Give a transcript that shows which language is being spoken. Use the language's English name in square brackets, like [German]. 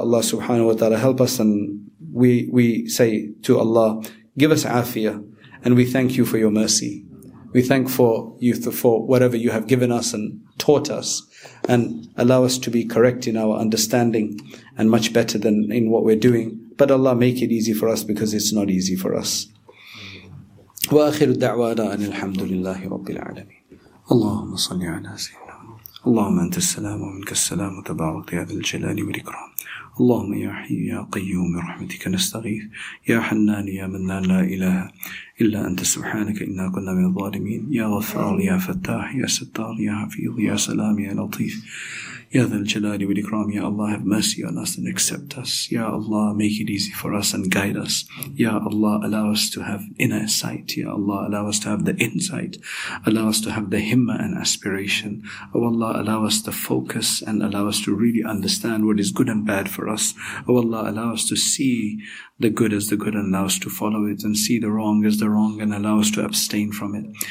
[English] Allah subhanahu wa ta'ala help us, and we say to Allah, give us afiyah, and we thank you for your mercy. We thank for you for whatever you have given us and taught us, and allow us to be correct in our understanding and much better than in what we're doing. But Allah, make it easy for us, because it's not easy for us. [Arabic] Wa akhiru da'wana an alhamdulillahi rabbil alamin. Allahumma salli ala sayyidina. اللهم أنت السلام ومنك السلام وتبارك يا ذا الجلال والإكرام. اللهم يا حي يا قيوم برحمتك نستغيث يا حنان يا منان لا إله إلا أنت سبحانك إنا كنا من الظالمين يا غفار يا فتاح يا ستار يا حفيظ يا سلام يا لطيف يا ذا الجلال والإكرام يا الله [English] have mercy on us and accept us [Arabic] يا الله [English] make it easy for us and guide us يا الله allow us to have inner sight يا الله allow us to have the insight allow us to have the himma and aspiration oh Allah allow us the focus and allow us to really understand what is good and bad for us oh Allah allow us to see the good as the good and allow us to follow it and see the wrong as the wrong and allow us to abstain from it.